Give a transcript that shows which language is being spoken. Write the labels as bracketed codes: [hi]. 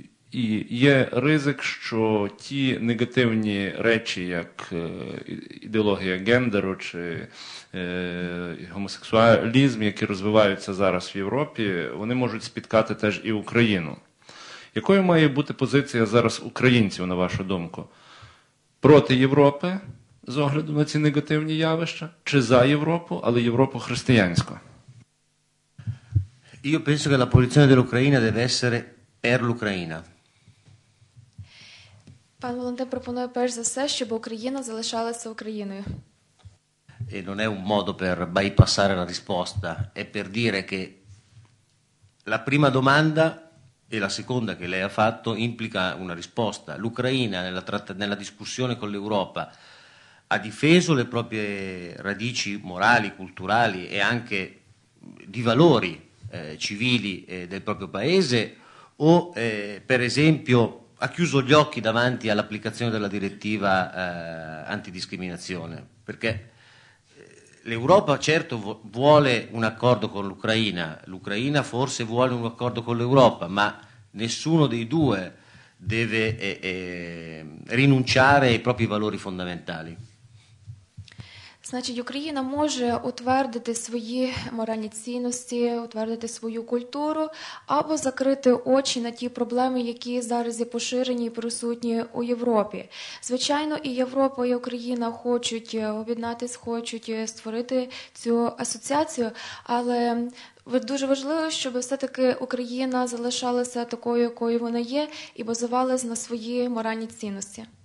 [uk] І є ризик, що ті негативні речі, як ідеологія гендеру чи гомосексуалізм, які розвиваються зараз в Європі, вони можуть спіткати теж і Україну. Якою має бути позиція зараз українців, на вашу думку? Проти Європи, з огляду на ці негативні явища, чи за Європу, але Європу християнську? [it] Io penso che la posizione dell'Ucraina deve essere per l'Ucraina. [uk] Пан Валентин пропонує перш за все, щоб Україна залишалася Україною. [it] E non è un modo per bypassare la risposta, è per dire che la prima domanda e la seconda che lei ha fatto implica una risposta. L'Ucraina nella discussione con l'Europa ha difeso le proprie radici morali, culturali e anche di valori civili del proprio paese o per esempio ha chiuso gli occhi davanti all'applicazione della direttiva antidiscriminazione? Perché L'Europa certo vuole un accordo con l'Ucraina, l'Ucraina forse vuole un accordo con l'Europa, ma nessuno dei due deve rinunciare ai propri valori fondamentali. [uk] Значить, Україна може утвердити свої моральні цінності, утвердити свою культуру, або закрити очі на ті проблеми, які зараз є поширені і присутні у Європі. Звичайно, і Європа, і Україна хочуть об'єднатися, хочуть створити цю асоціацію, але дуже важливо, щоб все-таки Україна залишалася такою, якою вона є, і базувалась на свої моральні цінності.